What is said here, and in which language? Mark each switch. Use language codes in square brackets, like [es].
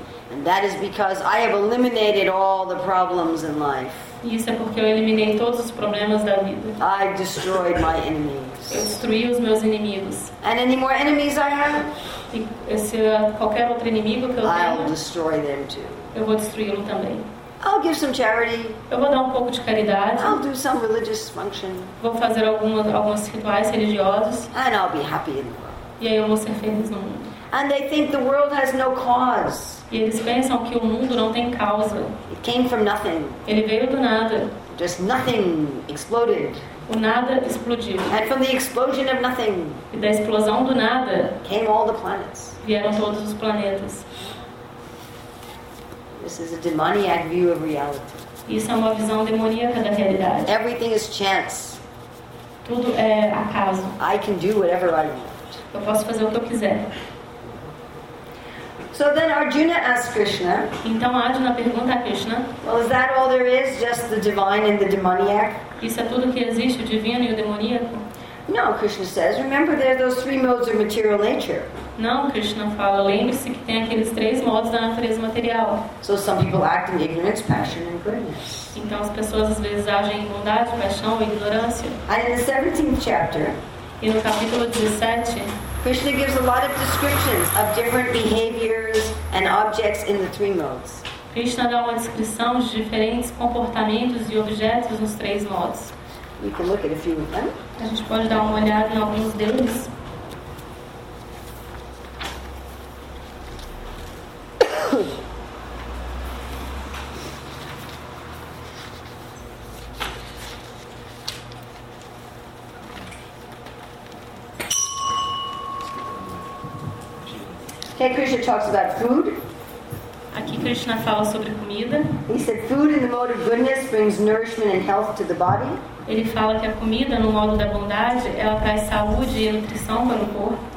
[en] And that is because I have eliminated all the problems in life. [pt] Isso é porque eu eliminei todos os problemas da vida. [en] I destroyed my enemies. [pt] Eu destruí os meus inimigos. [en] And any more enemies I have? [pt] E se qualquer outro inimigo que eu tenha, [en] I'll destroy them too. [pt] Eu vou destruí-lo também. [en] I'll give some charity. [pt] Eu vou dar um pouco de caridade. [en] I'll do some religious function. [pt] Vou fazer alguns rituais religiosos. [en] And I'll be happy in the world. [pt] E aí eu vou ser feliz no mundo. [en] And they think the world has no cause. [pt] E eles pensam que o mundo não tem causa. [en] It came from nothing. [pt] Ele veio do nada. [en] Just nothing exploded. [pt] O nada explodiu. [en] And from the explosion of nothing, [pt] e da explosão do nada, [en] came all the planets. [pt] Vieram todos os planetas. [en] This is a demoniac view of reality. [pt] Isso é uma visão demoníaca da realidade. [en] Everything is chance. [pt] Tudo é acaso. [en] I can do whatever I want. [pt] Eu posso fazer o que eu quiser. [en] So then Arjuna asks Krishna. [pt] Então Arjuna pergunta a Krishna. [en] Well, is that all there is? Just the divine and the demoniac? [pt] Isso é tudo que existe, o divino e o demoníaco? [en] No, Krishna says. Remember, there are those three modes of material nature. [pt] Não, Krishna fala. Lembre-se que tem aqueles três modos da natureza material. [en] So some people act in ignorance, passion, and greediness. [pt] Então as pessoas às vezes agem em bondade, paixão ou ignorância. [en] And in the 17th chapter. [pt] E no capítulo 17. [en] Krishna gives a lot of descriptions of different behaviors and objects in the three modes. [pt] Krishna dá uma descrição de diferentes comportamentos e objetos nos três modos. [en] We can look at a few of them. [pt] A gente pode dar uma olhada em alguns deles. [en] Okay, Krishna talks about food. [pt] Aqui Krishna fala sobre comida. [en] He said food in the mode of goodness brings nourishment and health to the body. [pt] Ele fala que a comida no modo da bondade ela traz saúde e nutrição para o corpo.